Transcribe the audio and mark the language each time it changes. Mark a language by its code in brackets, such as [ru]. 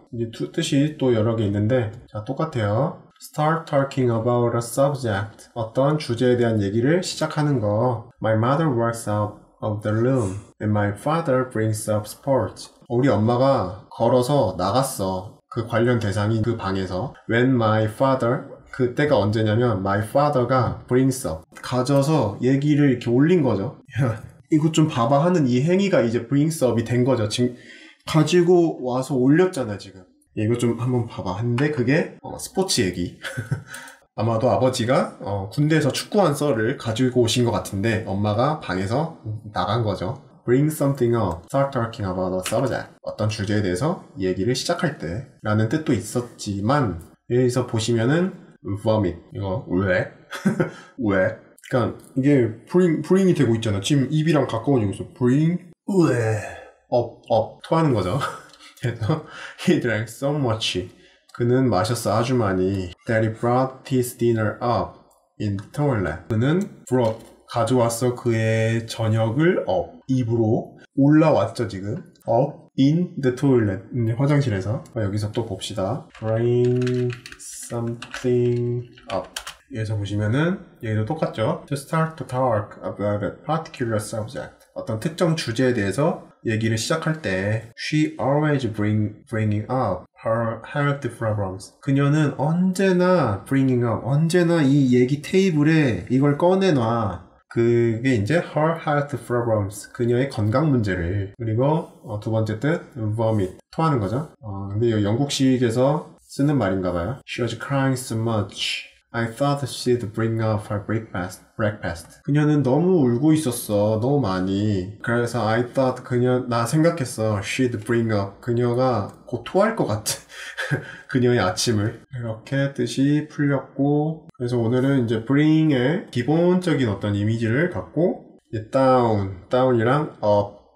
[ko] 이제 두 뜻이 또 여러 개 있는데, 자, 똑같아요. [en] Start talking about a subject. [ko] 어떤 주제에 대한 얘기를 시작하는 거. [en] My mother works out of the room and my father brings up sports. [ko] 우리 엄마가 걸어서 나갔어. 그 관련 대상인 그 방에서. [en] When my father, [ko] 그때가 언제냐면, [en] my father가 brings up. [ko] 가져서 얘기를 이렇게 올린 거죠. 이거 좀 봐봐 하는 이 행위가 이제 brings up이 된 거죠. 지금 가지고 와서 올렸잖아, 지금. 이거 좀 한번 봐봐. 근데 그게 스포츠 얘기. 아마도 아버지가 군대에서 축구한 썰을 가지고 오신 것 같은데 엄마가 방에서 나간 거죠. [en] Bring something up. Start talking about a subject. [ko] 어떤 주제에 대해서 얘기를 시작할 때 라는 뜻도 있었지만 여기서 보시면은 vomit. 이거 왜? 왜? 그러니까 이게 bring이 되고 있잖아. 지금 입이랑 가까워지고 있어. Bring 왜? up 토하는 거죠. 그래서 [en] he drank so much. [ko] 그는 마셨어 아주 많이. [en] Daddy brought his dinner up in the toilet. [ko] 그는 brought 가져왔어 그의 저녁을 up 입으로 올라왔죠 지금. [en] up in the toilet [ko] 화장실에서. 여기서 또 봅시다. [en] Bring something up. [ko] 여기서 보시면은 얘도 똑같죠. [en] To start to talk about a particular subject. [ko] 어떤 특정 주제에 대해서 얘기를 시작할 때, [en] she always bringing up her health problems. [ko] 그녀는 언제나 bringing up, 언제나 이 얘기 테이블에 이걸 꺼내놔. 그게 이제 her health problems. 그녀의 건강 문제를. 그리고 두 번째 뜻, vomit. 토하는 거죠. 근데 이거 영국식에서 쓰는 말인가 봐요. [en] She was crying so much. I thought she'd bring up her breakfast. [ko] 그녀는 너무 울고 있었어. 너무 많이. 그래서 [en] I thought [ko] 그녀, 나 생각했어. [en] She'd bring up. [ko] 그녀가 곧 토할 것 같아. 그녀의 아침을. 이렇게 뜻이 풀렸고. 그래서 오늘은 이제 bring의 기본적인 어떤 이미지를 갖고, 이제 down이랑 up.